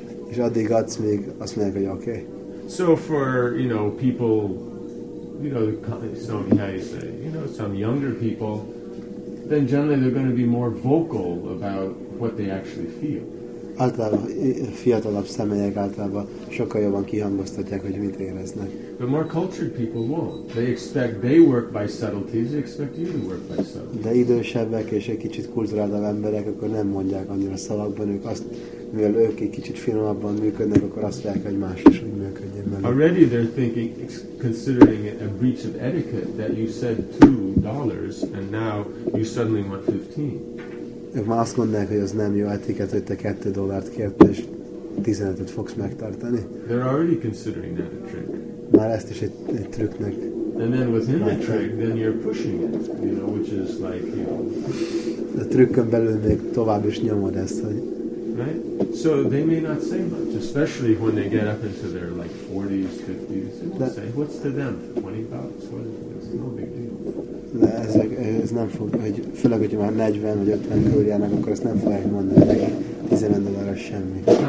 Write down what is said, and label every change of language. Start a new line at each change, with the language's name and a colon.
Hungarian: És addig adsz, még azt mondják, hogy oké.
English: So for, you know, people, you know, some, how you say, you know, some younger people, then generally they're going to be more vocal about what they actually feel.
Hungarian: Általában fiatalabb személyek általában sokkal jobban kihangoztatják, hogy mit éreznek.
English: But more cultured people won't. They expect they work by subtleties, they expect you to work by subtleties.
Hungarian: De idősebbek és egy kicsit kulturáltabb emberek, akkor nem mondják annyira szavakban, ők azt, mivel ők egy kicsit finomabban működnek, akkor azt mondják, hogy más is úgy működjön.
English: Already they're thinking, considering it a breach of etiquette that you said $2 and now you suddenly want 15.
Hungarian: Ők már azt mondják, hogy az nem jó etiket, hogy te $2 kértél, és 15-öt fogsz megtartani.
English: They're already considering that a trick.
Hungarian: Már ezt is egy trükknek.
English: And then within the trick, then you're pushing it, you know, which is like, you know.
Hungarian: A trükkön belül még tovább is nyomod ezt, hogy.
English: Right? So they may not say much, especially when they get up into their, like, 40s, 50s. They won't say, what's to them? $20? What is it? It's no big deal.
Hungarian: nem fog, hogy főleg, hogy már 40 vagy 50 körül járnak, akkor ezt nem fogják mondani, hogy 15 dollárra semmi.